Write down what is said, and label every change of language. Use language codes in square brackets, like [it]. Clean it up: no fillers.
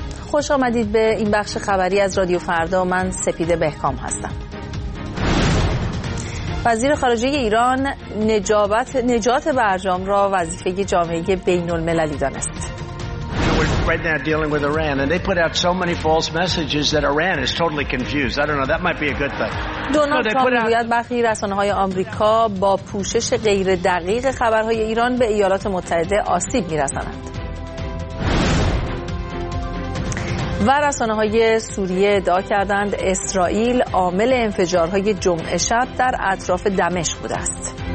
[fa] خوش آمدید به این بخش خبری از رادیو فردا. من سپیده بهکام هستم. وزیر خارجه ایران نجات برجام را وظیفه جامعه بین المللی دانست. [en] Right now dealing with Iran and they put out so many false messages that Iran is totally confused. I don't know, that might be a good thing. [fa] دونالد ترامپ میگوید برخی رسانه‌های آمریکا با پوشش غیر دقیق خبرهای ایران به ایالات متحده آسیب می‌رسانند. و رسانه‌های سوریه ادعا کردند اسرائیل عامل انفجارهای جمعه شب در اطراف دمشق بوده است.